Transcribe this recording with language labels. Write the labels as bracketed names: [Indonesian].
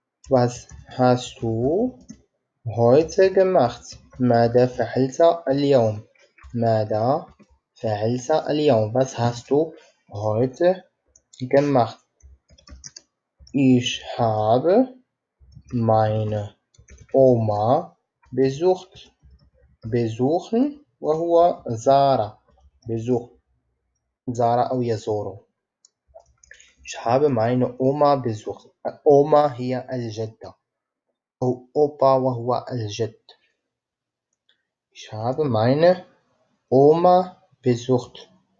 [German] Was hast du heute gemacht? [Arabic] ماذا فعلت اليوم؟ ماذا فعلت اليوم؟ [German] Was hast du heute gemacht? Ich habe meine Oma besucht. [Arabic] Besuchen وهو زار. Besuch. زار أو يزور. [German] Ich habe meine Oma besucht. [Arabic] Oma هي الجدة. أو Opa وهو الجد. [German] Ich habe meine Oma besucht.